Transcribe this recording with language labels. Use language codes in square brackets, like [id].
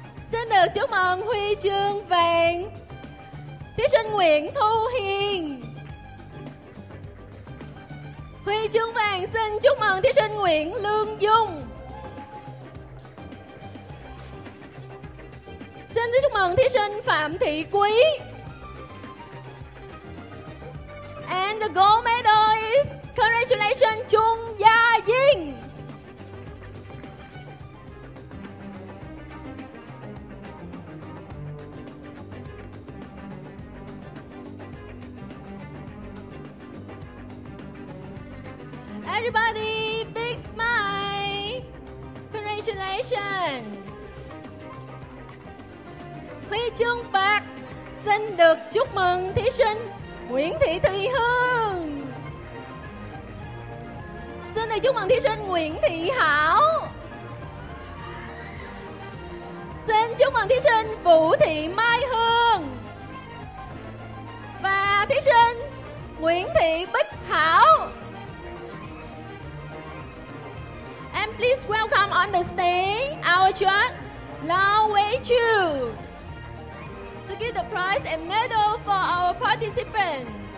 [vi] Xin được chúc mừng huy chương vàng thí sinh Nguyễn Thu Hiền. Huy chương vàng xin chúc mừng thí sinh Nguyễn Lương Dung. Xin chúc mừng thí sinh Phạm Thị Quý. [en] And the gold medal is congratulations Trung Gia Dinh. Everybody big smile. Congratulations. [vi] Huy chương bạc xin được chúc mừng thí sinh Nguyễn Thị Thùy Hương. Xin được chúc mừng thí sinh Nguyễn Thị Hảo. Xin chúc mừng thí sinh Vũ Thị Mai Hương. Và thí sinh Nguyễn Thị Bích Hảo. [en] And please welcome on the stage our judge, Lao Wei Chu, to give the prize and medal for our participants.